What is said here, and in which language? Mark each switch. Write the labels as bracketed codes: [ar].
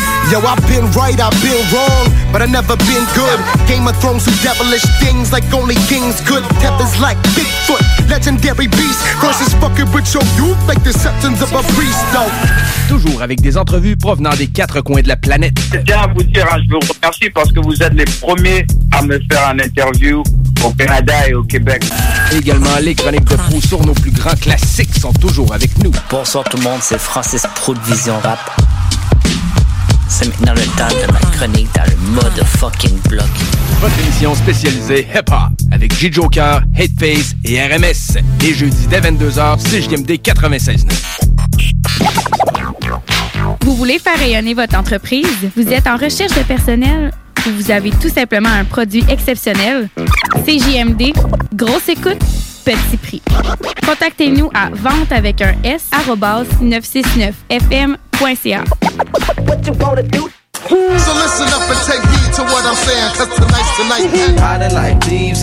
[en] Yo, I've been right, I've been wrong, but I've never been good. Game of Thrones do devilish things like only kings could. Tethers like Bigfoot, legendary beast. Crosses fucking with your youth like the sceptres of a priest, though. [fr] Toujours avec des entrevues provenant des quatre coins de la planète. Je tiens à vous dire, je vous remercie parce que vous êtes les premiers à me faire une interview au Canada et au Québec. Également, les chroniques de Proust sur nos plus grands classiques sont toujours avec nous. Bonsoir tout le monde, c'est Francis Pro de Vision Rap. C'est maintenant le temps de ma chronique dans le motherfucking bloc. Votre émission spécialisée hip-hop avec G-Joker, Hateface et RMS. Les jeudis dès 22h, CJMD 96.9. Vous voulez faire rayonner votre entreprise? Vous êtes en recherche de personnel? ou vous avez tout simplement un produit exceptionnel, CJMD, grosse écoute, petit prix. Contactez-nous à vente avec un S @969fm.ca. [en] So listen up and take heed to what I'm saying, cause tonight's